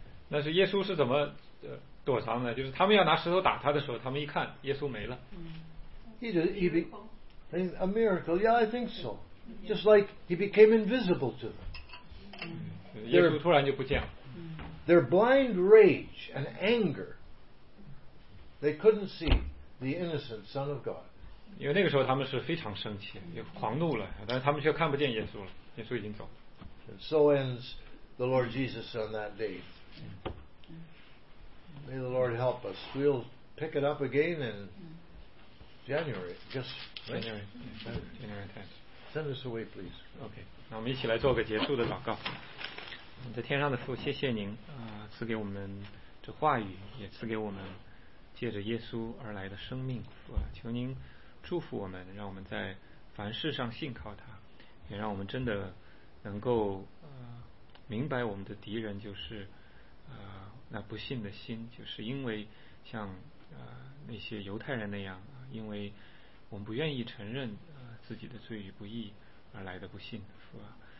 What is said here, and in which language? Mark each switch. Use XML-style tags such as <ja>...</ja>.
<zh>那是耶稣是怎么躲藏呢？就是他们要拿石头打他的时候，他们一看耶稣没了。</zh> <en>A miracle, yeah, I think so. Just like he became invisible to them.</en> <zh>耶稣突然就不见了。</zh> <en>Their blind rage and anger, they couldn't see the innocent Son of God.</en> <zh>因为那个时候他们是非常生气，也狂怒了，但是他们却看不见耶稣了，耶稣已经走了。</zh> <en>So ends the Lord Jesus on that day. May the Lord help us. We'll pick it up again in January. Just. January 10th. Send us away, please. Okay.</en> <zh>那我们一起来做个结束的祷告。在天上的父，谢谢您赐给我们这话语，也赐给我们借着耶稣而来的生命。求您祝福我们，让我们在凡事上信靠他，也让我们真的能够明白我们的敌人就是那不信的心，就是因为像那些犹太人那样，因为我们不愿意承认自己的罪与不义而来的不信，是吧？</zh>